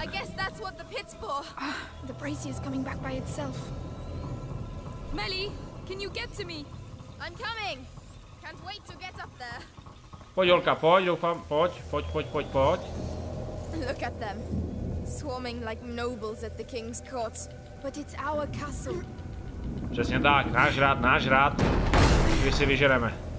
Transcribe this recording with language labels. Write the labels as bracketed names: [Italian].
[English] I guess that's what the pit's for. The brazier is coming back by itself. Melly, can you get to me? I'm coming. Can't wait to get up there. [Czech] Pojď, holka, pojď, doufám, pojď, pojď, pojď, pojď, pojď. [English] Look at them. Swarming like nobles at the king's court. But it's our castle. [Czech] Přesně tak, náš hrad, náš hrad. Když si vyžereme.